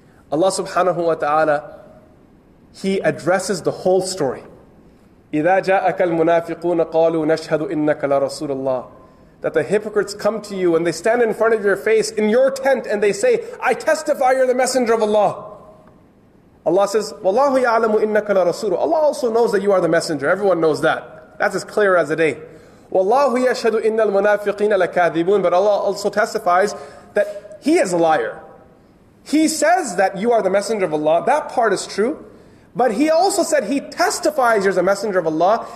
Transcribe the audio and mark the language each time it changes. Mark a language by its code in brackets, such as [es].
[en] Allah subhanahu wa ta'ala, He addresses the whole story. [ar] إِذَا جَاءَكَ الْمُنَافِقُونَ قَالُوا نَشْهَدُ إِنَّكَ لَرَسُولَ اللَّهِ. [en] That the hypocrites come to you and they stand in front of your face in your tent and they say, I testify you're the messenger of Allah. Allah says, [ar] وَاللَّهُ يَعْلَمُ إِنَّكَ لَرَسُولُ. [en] Allah also knows that you are the messenger. Everyone knows that. That's as clear as the day. [ar] وَاللَّهُ يَشْهَدُ إِنَّ الْمُنَافِقِينَ لَكَاذِبُونَ. [en] But Allah also testifies that He is a liar. He says that you are the messenger of Allah. That part is true. But he also said he testifies you're the messenger of Allah.